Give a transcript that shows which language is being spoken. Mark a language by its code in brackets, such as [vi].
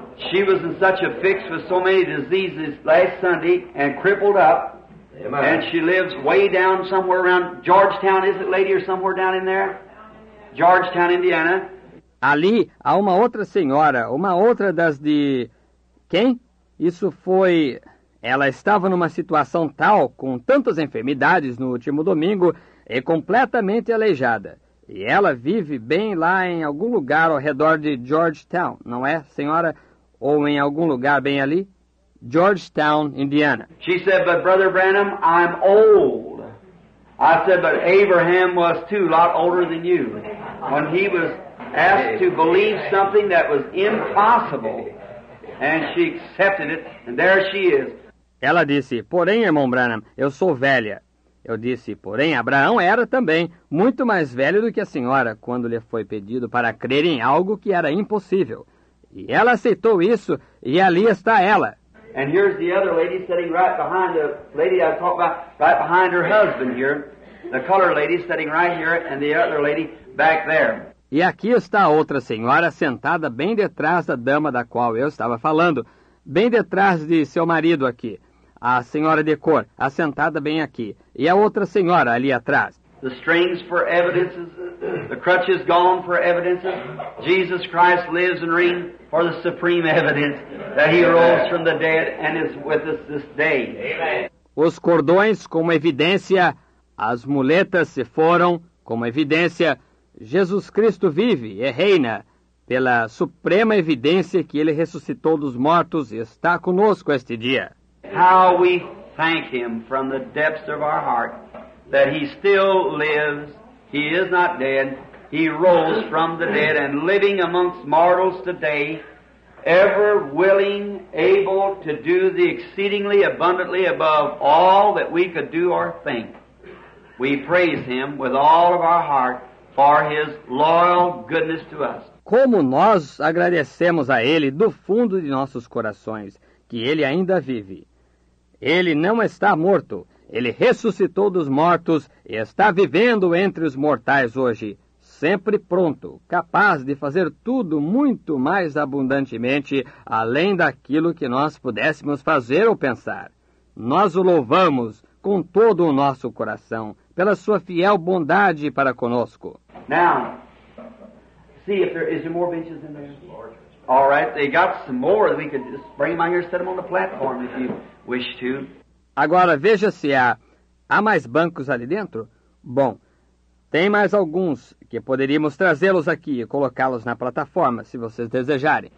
[en] She was in such a fix with so many diseases last Sunday, and crippled up. Amen. And she lives way down somewhere around Georgetown, is it, lady, or somewhere down in there? Georgetown, Indiana. [pt] Ali há uma outra senhora, uma outra das de... Quem? Isso foi... Ela estava numa situação tal, com tantas enfermidades no último domingo, e completamente aleijada. E ela vive bem lá em algum lugar ao redor de Georgetown, não é, senhora? Ou em algum lugar bem ali? Georgetown, Indiana. [en] She said, but Brother Branham, I'm old. I said, but Abraham was too, a lot older than you. When he was asked to believe something that was impossible, and she accepted it, and there she is. [pt] Ela disse, porém, irmão Branham, eu sou velha. Eu disse, porém, Abraão era também muito mais velho do que a senhora quando lhe foi pedido para crer em algo que era impossível. E ela aceitou isso, e ali está ela. [en] And here's the other lady sitting right behind the lady I talked about, right behind her husband here. The colored lady sitting right here, and the other lady back there. [pt] E aqui está a outra senhora sentada bem detrás da dama da qual eu estava falando, bem detrás de seu marido aqui. A senhora de cor, assentada bem aqui. E a outra senhora ali atrás. [en] The strings for evidences, the crutches gone for evidences. Jesus Christ lives and reigns for the supreme evidence that he rose from the dead and is with us this day. Amen. [pt] Os cordões como evidência, as muletas se foram como evidência. Jesus Cristo vive e reina pela suprema evidência que ele ressuscitou dos mortos e está conosco este dia. [en] How we thank him from the depths of our heart that he still lives, he is not dead, he rose from the dead and living amongst mortals today, ever willing, able to do the exceedingly abundantly above all that we could do or think. We praise him with all of our heart for his loyal goodness to us. [pt] Como nós agradecemos a ele do fundo de nossos corações que ele ainda vive. Ele não está morto. Ele ressuscitou dos mortos e está vivendo entre os mortais hoje, sempre pronto, capaz de fazer tudo muito mais abundantemente além daquilo que nós pudéssemos fazer ou pensar. Nós o louvamos com todo o nosso coração pela sua fiel bondade para conosco. [en] Now, see if there is there more benches in there. All right, they got some more. We could just bring them on here, set them on the platform if you wish to. [pt] Agora veja se há mais bancos ali dentro. Bom, tem mais alguns que poderíamos trazê-los aqui e colocá-los na plataforma, se vocês desejarem.